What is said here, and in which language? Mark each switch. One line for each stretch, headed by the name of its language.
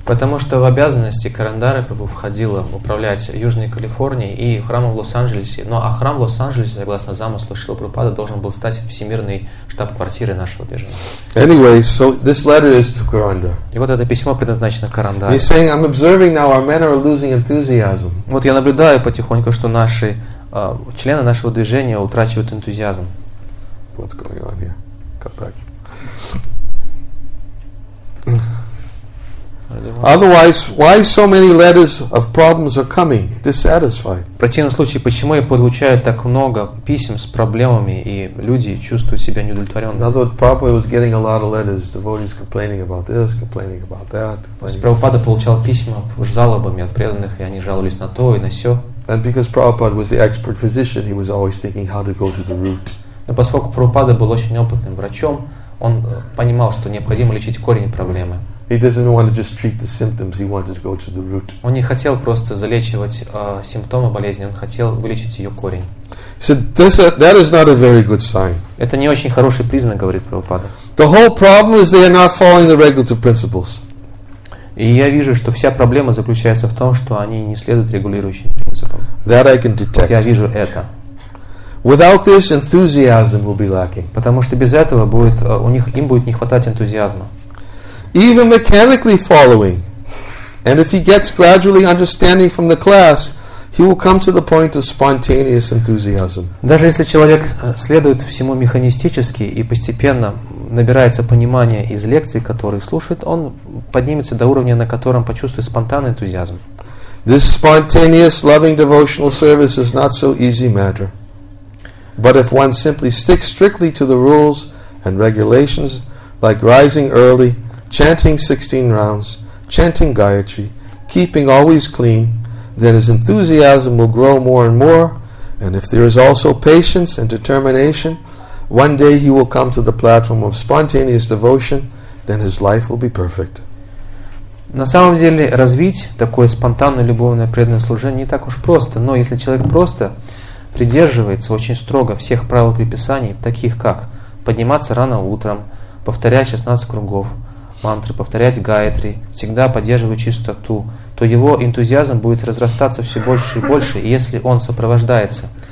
Russian: Потому что в обязанности Карандары Прабху входило управлять Южной Калифорнией и храмом в Лос-Анджелесе. Ну а храм в Лос-Анджелесе, согласно замыслу Шрила Прабхупада, должен был стать всемирной штаб-квартирой нашего движения.
English: Anyway, so this letter is to Karanda.
Russian: И вот это письмо предназначено Карандаре.
English: He's saying, I'm observing now our men are losing enthusiasm.
Russian: Вот я наблюдаю потихоньку, что наши члены нашего движения утрачивают энтузиазм.
English: What's going on here? Come back. Otherwise, why so many letters of problems are coming? Dissatisfied.
Russian: В противном случае, почему я получаю так много писем с проблемами и люди чувствуют себя неудовлетворенными?
English: In other words, Prabhupada was getting a lot of letters. Devotees complaining about this, complaining about that.
Russian: Прабхупада получал письма с жалобами от преданных, и они жаловались на то и на сё.
English: And because Prabhupada was the expert physician, he was always thinking how to go to the root.
Russian: Но поскольку Прабхупада был очень опытным врачом, он понимал, что необходимо лечить корень проблемы.
English: He doesn't want to just treat the symptoms. He wanted to go to the root.
Russian: Он не хотел просто залечивать симптомы болезни. Он хотел вылечить ее корень.
English: So that is not a very good sign.
Russian: Это не очень хороший признак, говорит Прабхупада.
English: The whole problem is they are not following the regulative principles.
Russian: И я вижу, что вся проблема заключается в том, что они не следуют регулирующим принципам.
English: That I can detect.
Russian: Вот я вижу это.
English: Without this, enthusiasm will be lacking.
Russian: Потому что без этого будет у них им будет не хватать энтузиазма.
English: Even mechanically following, and if he gets gradually understanding from the class, he will come to the point of spontaneous enthusiasm.
Russian: Даже если человек следует всему механистически и постепенно набирается понимания из лекций, которые слушает, он поднимется до уровня, на котором почувствует спонтанный энтузиазм.
English: This spontaneous loving devotional service is not so easy matter. But if one simply sticks strictly to the rules and regulations, like rising early, chanting 16 rounds, chanting Gayatri, keeping always clean, then his enthusiasm will grow more and more, and if there is also patience and determination, one day he will come to the platform of spontaneous devotion, then his life will be perfect.
Russian: На самом деле, развить такое спонтанное любовное преданное служение не так уж просто, но если человек просто придерживается очень строго всех правил приписаний, таких как подниматься рано утром, повторять 16 кругов, мантры, повторять гаятри, всегда поддерживать чистоту, то его энтузиазм будет разрастаться все больше и больше, и если он сопровождается